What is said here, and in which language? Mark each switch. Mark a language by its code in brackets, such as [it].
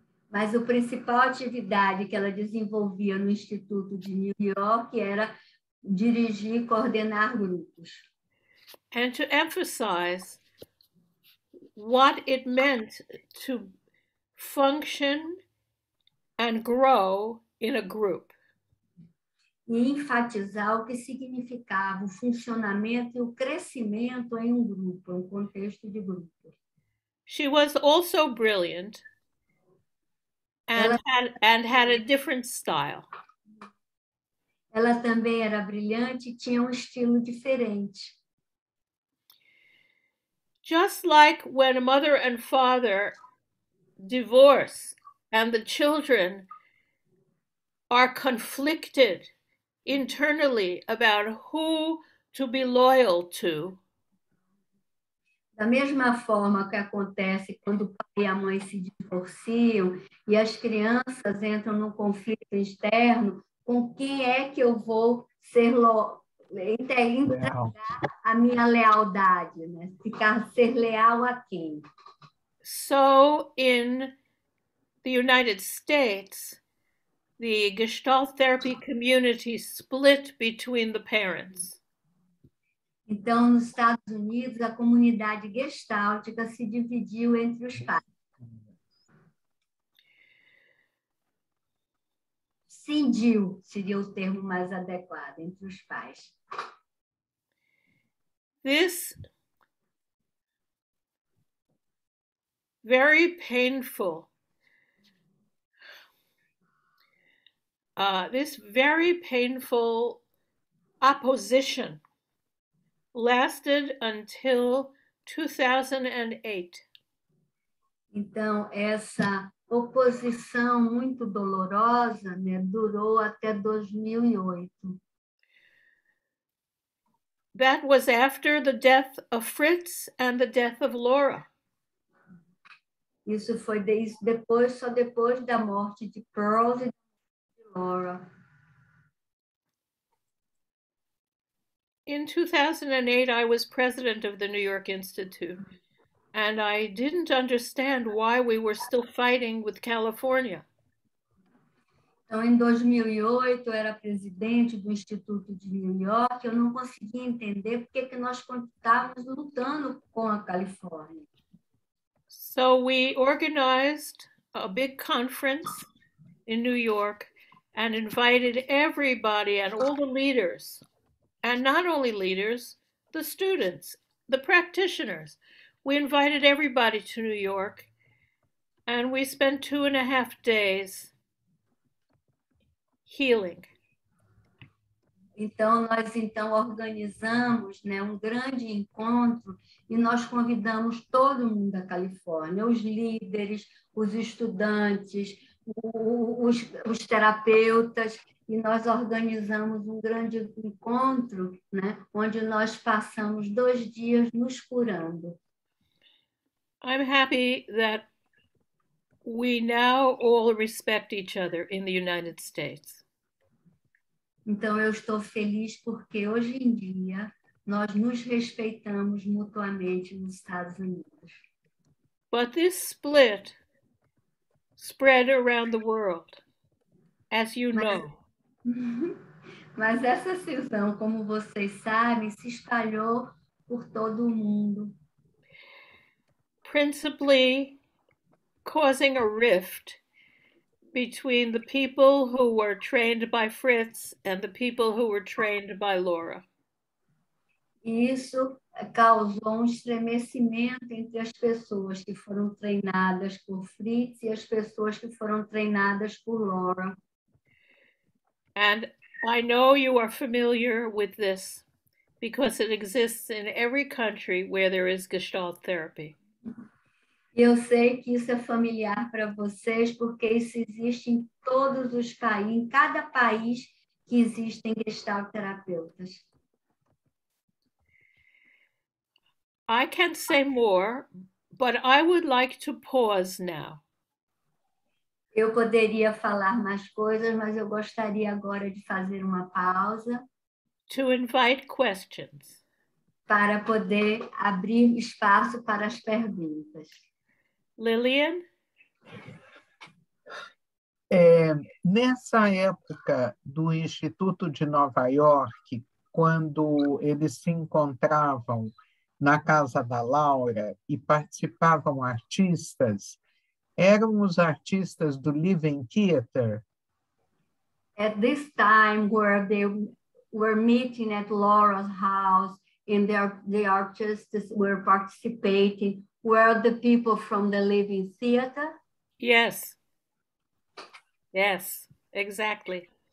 [pt] Mas a principal atividade que ela desenvolvia no Instituto de New York era dirigir e coordenar grupos. [en] And to emphasize what it meant to function and grow in a group. [pt] E enfatizar o que significava o funcionamento e o crescimento em um grupo, um contexto de grupo. [en] She was also brilliant. And had a different style. [pt] Ela também era brilhante e tinha um estilo diferente. [en] Just like when a mother and father divorce and the children are conflicted internally about who to be loyal to. [pt] Da mesma forma que acontece quando o pai e a mãe se divorciam e as crianças entram num conflito externo, com quem é que eu vou ser entregar a minha lealdade, né? Ser leal a quem? [en] So, in the United States, the Gestalt therapy community split between the parents. [pt] Então, nos Estados Unidos, a comunidade gestáltica se dividiu entre os pais. Cindiu, seria o termo mais adequado, entre os pais. [en] This very painful, opposition lasted until 2008. [pt] Então, essa oposição muito dolorosa, né, durou até 2008. [en] That was after the death of Fritz and the death of Laura. [pt] Isso foi depois da morte de Pearls e de Laura. [en] In 2008, I was president of the New York Institute, and I didn't understand why we were still fighting with California. [pt] Então, em 2008, eu era presidente do Instituto de New York, eu não conseguia entender por que nós estávamos lutando com a Califórnia. [en] So we organized a big conference in New York and invited everybody and all the leaders. And not only leaders, the students, the practitioners. We invited everybody to New York and we spent 2.5 days healing. [pt] Então, nós então organizamos, né, um grande encontro e nós convidamos todo mundo da Califórnia, os líderes, os estudantes, os terapeutas, e nós organizamos um grande encontro, né, onde nós passamos 2 dias nos curando. [en] I'm happy that we now all respect each other in the United States. [pt] Então, eu estou feliz porque hoje em dia nós nos respeitamos mutuamente nos Estados Unidos. [en] But this split spread around the world, as you know. [pt] Mas essa cisão, como vocês sabem, se espalhou por todo o mundo. [en] Principally causing a rift between the people who were trained by Fritz and the people who were trained by Laura. [pt] Isso causou estremecimento entre as pessoas que foram treinadas por Fritz e as pessoas que foram treinadas por Laura. [en] And I know you are familiar with this because it exists in every country where there is Gestalt therapy. [pt] Eu sei que isso é familiar para vocês, porque isso existe em todos os países, em cada país que existem gestalt terapeutas. [en] I can say more, but I would like to pause now. [pt] Eu poderia falar mais coisas, mas eu gostaria agora de fazer uma pausa. [en] To invite questions. [pt] Para poder abrir espaço para as perguntas. [en] Lillian? [pt] É, nessa época do Instituto de Nova York, quando eles se encontravam na casa da Laura e participavam artistas, eram os artistas do Living Theater? [en] At this time where they were meeting at Laura's house and the artists were participating, were the people from the Living Theater? Yes. Yes, exactly.